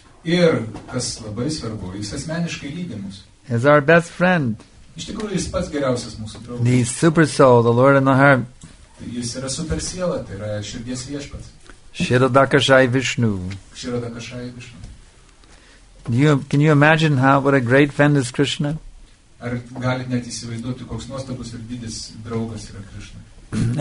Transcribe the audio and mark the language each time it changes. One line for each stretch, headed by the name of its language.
Lithuanian: Ir, kas labai svarbu, jis asmeniškai lydi mus.
English: As our best friend.
Lithuanian: Iš tikrųjų, jis pats geriausias mūsų draugas.
English: The super soul, the Lord in the heart.
Lithuanian: Jis yra super siela, tai yra širdies viešpats.
Sanskrit: Shiradakashai Vishnu. Shiradakashai Vishnu.
English: Can you imagine what a great friend is Krishna?
Lithuanian: Ar galite net įsivaizduoti, koks nuostabus ir didis draugas yra Krishna?